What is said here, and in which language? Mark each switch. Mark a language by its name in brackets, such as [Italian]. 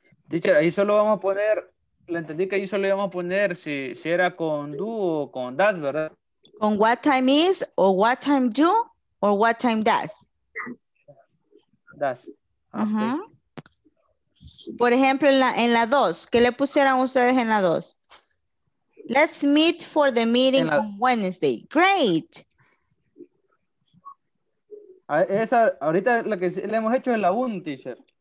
[Spanish] Teacher, ahí solo vamos a poner, le entendí que ahí solo íbamos a poner si era con do o con does, ¿verdad? [English] Con what time is, o what time do, o what time does. Does. [Spanish] Por ejemplo, en la 2, ¿qué le pusieran ustedes en la 2? [English] Let's meet for the meeting on Wednesday. Great. [Spanish] Esa, ahorita lo que le hemos hecho es la 1, teacher.